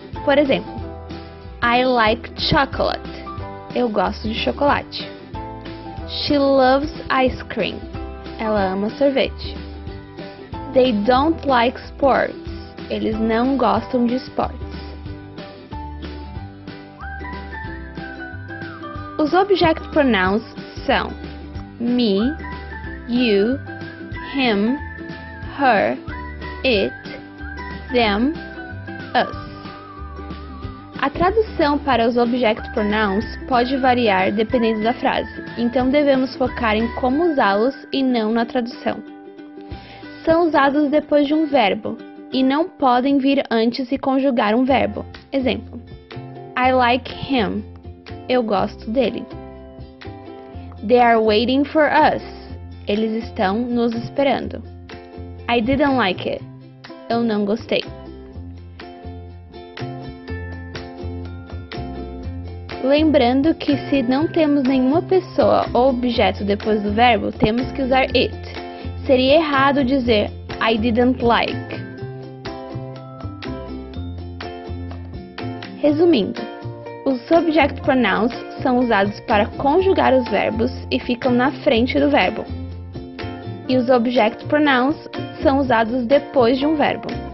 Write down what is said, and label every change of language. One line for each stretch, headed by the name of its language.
Portuguese: Por exemplo,
English: I like chocolate.
Portuguese: Eu gosto de chocolate.
English: She loves ice cream.
Portuguese: Ela ama sorvete.
English: They don't like sports.
Portuguese: Eles não gostam de esportes. Os object pronouns são
English: me, you, him, her, it, them, us.
Portuguese: A tradução para os object pronouns pode variar dependendo da frase, então devemos focar em como usá-los e não na tradução. São usados depois de um verbo e não podem vir antes e conjugar um verbo. Exemplo:
English: I like him.
Portuguese: Eu gosto dele.
English: They are waiting for us.
Portuguese: Eles estão nos esperando.
English: I didn't like it.
Portuguese: Eu não gostei. Lembrando que se não temos nenhuma pessoa ou objeto depois do verbo, temos que usar it. Seria errado dizer
English: I didn't like.
Portuguese: Resumindo, os subject pronouns são usados para conjugar os verbos e ficam na frente do verbo. E os object pronouns são usados depois de um verbo.